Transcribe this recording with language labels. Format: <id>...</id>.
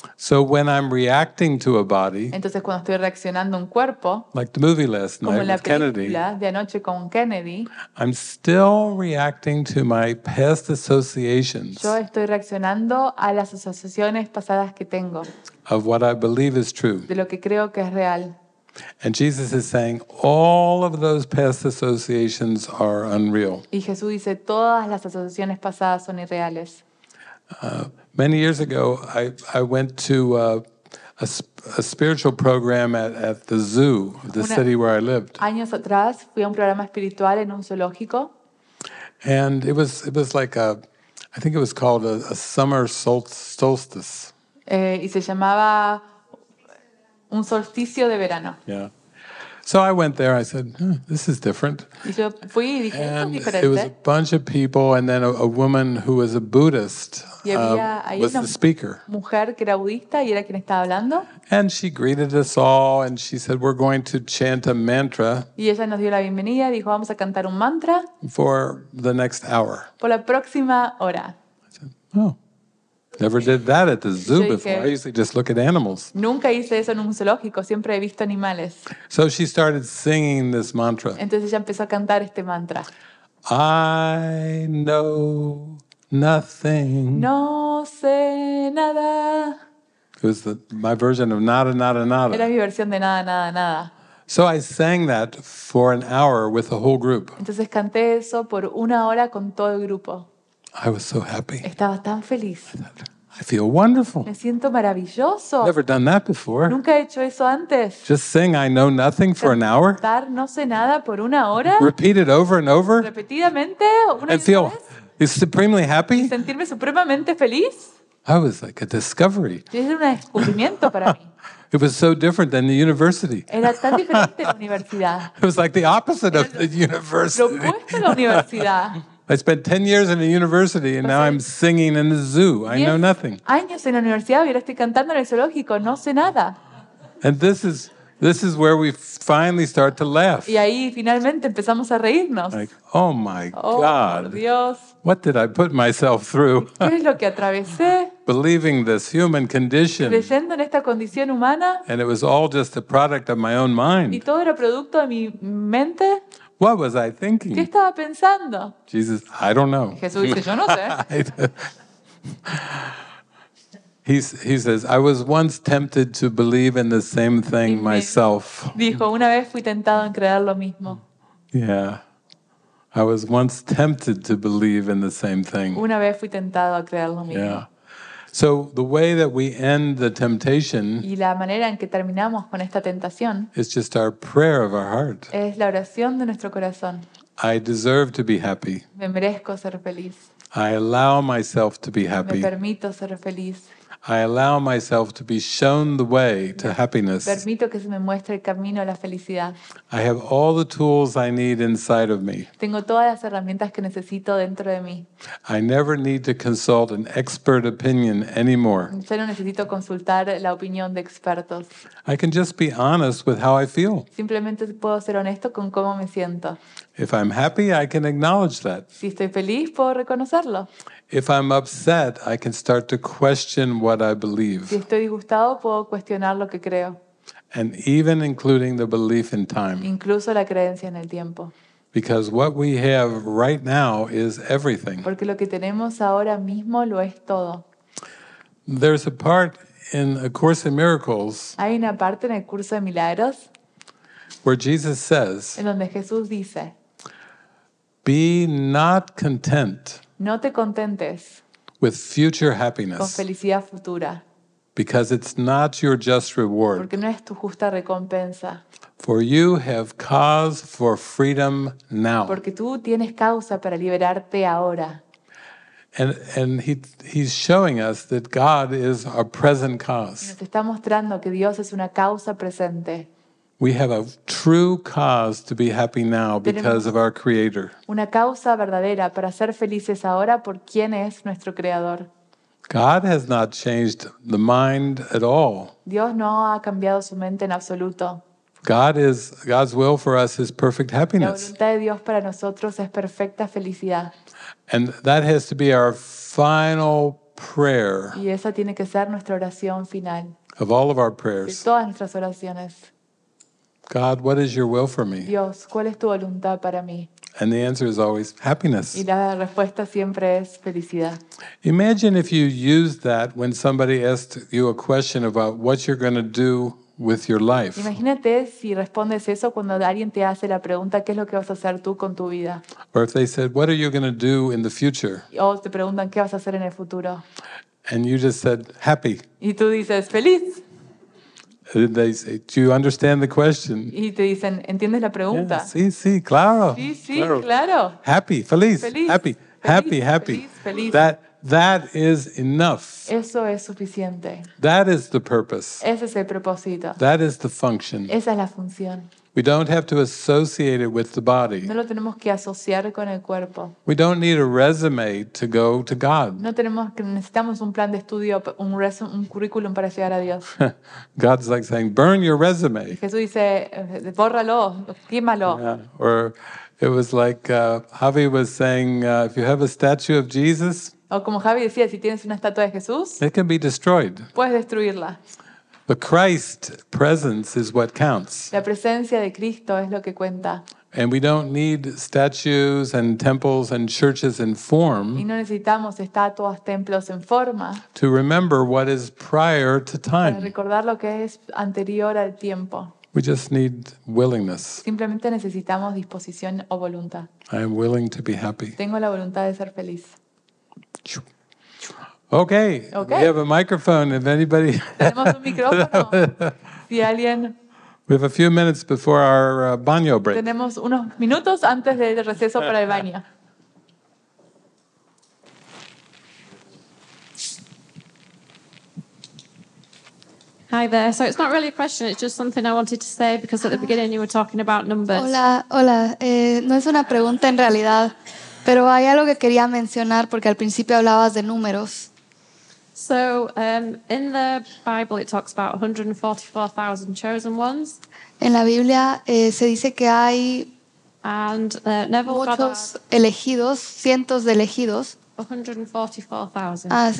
<en>So when I'm reacting to a body.</en> <es>Entonces cuando estoy reaccionando a un cuerpo.</es> <en>Like the movie last night with Kennedy.</en> <es>Como la película de anoche con Kennedy.</es> <en>I'm still reacting to my past associations.</en> <es>Yo estoy reaccionando a las asociaciones pasadas que tengo.</es> <en>Of what I believe is true.</en> <es>De lo que creo que es real.</es> <en>And Jesus is saying all of those past associations are unreal.</en> <es>Y Jesús dice todas las asociaciones pasadas son irreales.</es> <en>Many years ago, I went to a spiritual program at the zoo, the city where I lived.</en> <es>Años atrás fui a un programa espiritual en un zoológico.</es> <en>And it was like a, I think it was called a summer solstice.</en> <es>Y se llamaba un solsticio de verano.</es> <en>Yeah. So I went there. I said, this is different.</en> <es>Y yo fui y dije, esto es diferente.</es> <en>It was a bunch of people, and then a woman who was a Buddhist was the speaker.</en> <es>Mujer que era budista y era quien estaba hablando.</es> <en>And she greeted us all, and she said, we're going to chant a mantra.</en> <es>Y ella nos dio la bienvenida, dijo, vamos a cantar un mantra.</es> <en>For the next hour.</en> <es>Por la próxima hora.</es> <en>I said, oh. Never did that at the zoo before. I usually just look at animals.</en> <es>Nunca hice eso en un zoológico. Siempre he visto animales.</es> <en>So she started singing this mantra.</en> <es>Entonces ella empezó a cantar este mantra.</es> <en>I know nothing.</en> <es>No sé nada.</es> <en>It was my version of nada, nada, nada.</en> <es>Era mi versión de nada, nada, nada.</es> <en>So I sang that for an hour with the whole group.</en> <es>Entonces canté eso por una hora con todo el grupo.</es> <en>I was so happy.</en> <es>Estaba tan feliz.</es> <en>I feel wonderful.</en> <es>Me siento maravilloso.</es> <en>Never done that before.</en> <es>Nunca he hecho eso antes.</es> <en>Just sing I know nothing for an hour.</en> <es>Cantar no sé nada por una hora.</es> <en>Repeat it over and over.</en> <es>Repetidamente una y otra vez.</es> <en>Feel supremely happy.</en> <es>Y sentirme supremamente feliz.</es> <en>I was like a discovery.</en> <es>Es un descubrimiento para mí.</es> <en>It was so different than the university.</en> <es>Era tan diferente la universidad.</es> <en>It was like the opposite of the university.</en> <es>Lo opuesto a la universidad.</es> <en>I spent 10 years in a university and now I'm singing in a zoo. I know nothing.</en> <es>Años en la universidad y ahora estoy cantando en el zoológico. No sé nada.</es> <en>And this is where we finally start to laugh.</en> <es>Y ahí finalmente empezamos a reírnos.</es> <en>Like, oh my God.</en> <es>Oh, Dios.</es> <en>What did I put myself through?</en> <es>¿Qué es lo que atravesé?</es> <en>Believing this human condition.</en> <es>Creyendo en esta condición humana.</es> <en>And it was all just a product of my own mind.</en> <es>Y todo era producto de mi mente.</es> <en>What was I thinking?</en> <es>¿Qué estaba pensando?</es> <en>Jesus, I don't know.</en> <es>Jesús dice, yo no sé.</es> <en>He says, I was once tempted to believe in the same thing myself.</en> <es>Dijo, una vez fui tentado en creer lo mismo.</es> <en>Yeah. I was once tempted to believe in the same thing.</en> <es>Una vez fui tentado a creer lo mismo.</es> <en>Yeah. So the way that we end the temptation</en> <es>y la manera en que terminamos con esta tentación</es> <en>is just our prayer of our heart.</en> <es>Es la oración de nuestro corazón.</es> <en>I deserve to be happy.</en> <es>Me merezco ser feliz.</es> <en>I allow myself to be happy.</en> <es>Me permito ser feliz.</es> <en>I allow myself to be shown the way to happiness.</en> <es>Permito que se me muestre el camino a la felicidad.</es> <en>I have all the tools I need inside of me.</en> <es>Tengo todas las herramientas que necesito dentro de mí.</es> <en>I never need to consult an expert opinion anymore.</en> <es>Ya no necesito consultar la opinión de expertos.</es> <en>I can just be honest with how I feel.</en> <es>Simplemente puedo ser honesto con cómo me siento.</es> <en>If I'm happy, I can acknowledge that.</en> <es>Si estoy feliz, puedo reconocerlo.</es> <en>If I'm upset, I can start to question what I believe.</en> <es>Si estoy disgustado, puedo cuestionar lo que creo.</es> <en>And even including the belief in time.</en> <es>Incluso la creencia en el tiempo.</es> <en>Because what we have right now is everything.</en> <es>Porque lo que tenemos ahora mismo lo es todo.</es> <en>There's a part in A Course in Miracles.</en> <es>Hay una parte en el curso de milagros.</es> <en>Where Jesus says,</en> <es>en donde Jesús dice,</es> <en>be not content.</en> <es>No te contentes</es> <en>with future happiness.</en> <es>Con felicidad futura.</es> <en>Because it's not your just reward.</en> <es>Porque no es tu justa recompensa.</es> <en>For you have cause for freedom now.</en> <es>Porque tú tienes causa para liberarte ahora.</es> <en>And he's showing us that God is our present cause.</en> <es>Nos está mostrando que Dios es una causa presente.</es> <en>We have a true cause to be happy now because of our Creator.</en> <es>Una causa verdadera para ser felices ahora por quien es nuestro Creador.</es> <en>God has not changed the mind at all.</en> <es>Dios no ha cambiado su mente en absoluto.</es> <en>God's will for us is perfect happiness.</en> <es>La voluntad de Dios para nosotros es perfecta felicidad.</es> <en>And that has to be our final prayer.</en> <es>Y esa tiene que ser nuestra oración final.</es> <en>Of all of our prayers.</en> <es>De todas nuestras oraciones.</es> <en>God, what is your will for me?</en> <es>Dios, ¿cuál es tu voluntad para mí?</es> <en>And the answer is always happiness.</en> <es>Y la respuesta siempre es felicidad.</es> <en>Imagine if you used that when somebody asked you a question about what you're going to do with your life.</en> <es>Imagínate si respondes eso cuando alguien te hace la pregunta, ¿qué es lo que vas a hacer tú con tu vida?</es> <en>Or if they said, what are you going to do in the future?</en> <es>O te preguntan, ¿qué vas a hacer en el futuro?</es> <en>And you just said, happy.</en> <es>Y tú dices, feliz.</es> <en>They say, do you understand the question?</en> <es>Y te dicen, ¿entiendes la pregunta?</es> <en>Yeah,</en> <es>sí, sí, claro. Sí, sí, claro.</es> <en>Happy,</en> <es>feliz,</es> <en>happy, feliz, happy, happy.</en> <es>Feliz.</es> <en>That is enough.</en> <es>Eso es suficiente.</es> <en>That is the purpose.</en> <es>Ese es el propósito.</es> <en>That is the function.</en> <es>Esa es la función.</es> <en>We don't have to associate it with the body.</en> <es>No lo tenemos que asociar con el cuerpo.</es> <en>We don't need a resume to go to God.</en> <es>No tenemos que necesitamos un plan de estudio, un currículum para llegar a Dios.</es> <en>God's like saying, burn your resume.</en> <es>Jesús dice, bórralo, quémalo.</es> <en>Yeah. Or it was like Javi was saying, if you have a statue of Jesus,</en> <es>o como Javi decía, si tienes una estatua de Jesús,</es> <en>it can be destroyed.</en> <es>Puedes destruirla.</es> <en>The Christ presence is what counts.</en> <es>La presencia de Cristo es lo que cuenta.</es> <en>And we don't need statues and temples and churches in form.</en> <es>Y no necesitamos estatuas, templos en forma.</es> <en>To remember what is prior to time.</en> <es>Para recordar lo que es anterior al tiempo.</es> <en>We just need willingness.</en> <es>Simplemente necesitamos disposición o voluntad.</es> <en>I am willing to be happy.</en> <es>Tengo la voluntad de ser feliz. Okay. Okay,</es> <en>we have a microphone. If anybody,</en> <es>si alguien,</es> <en>we have a few minutes before our baño break.</en> <es>Tenemos unos minutos antes del receso para el baño.</es> <en>Hi there. So it's not really a question. It's just something I wanted to say because at the beginning you were talking about numbers.</en> <es>Hola, hola. No es una pregunta en realidad, pero hay algo que quería mencionar porque al principio hablabas de números.</es> <en>So in the Bible it talks about 144,000 chosen ones.</en> <es>En la Biblia se dice que hay</es> <en>and</en> <es>muchos elegidos, cientos de elegidos. 144,000.</es>